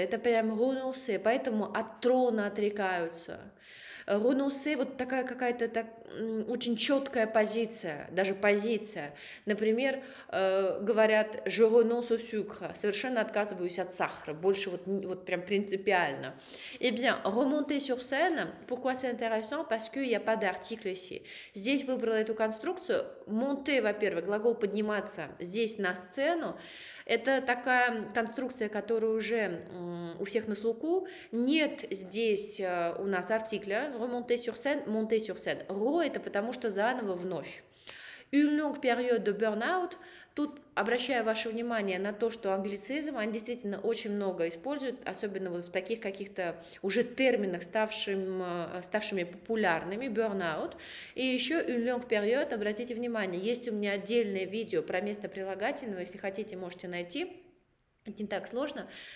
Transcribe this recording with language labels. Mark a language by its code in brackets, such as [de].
[ru] Это прям renoncer. Поэтому от трона отрекаются. Renoncer, вот такая какая-то очень четкая позиция, даже позиция. Например, говорят [fr] «je renonce au sucre», [ru] совершенно отказываюсь от сахара, больше вот прям принципиально. [fr] Eh bien, remonter sur scène, pourquoi c'est intéressant? Parce qu'il n'y a pas d'article ici. [ru] Здесь выбрала эту конструкцию. Monter, во-первых, глагол «подниматься» здесь на сцену. Это такая конструкция, которая уже у всех на слуху. Нет здесь у нас артикля. [fr] Remonter sur scène, monter sur scène. [ru] Ро – это потому что заново, вновь. [fr] Une longue période de burn-out. [ru] Тут обращаю ваше внимание на то, что англицизм, они действительно очень много используют, особенно вот в таких каких-то уже терминах, ставшими популярными, burnout. И еще [fr] une longue période, [ru] обратите внимание, есть у меня отдельное видео про место прилагательного, если хотите, можете найти, не так сложно.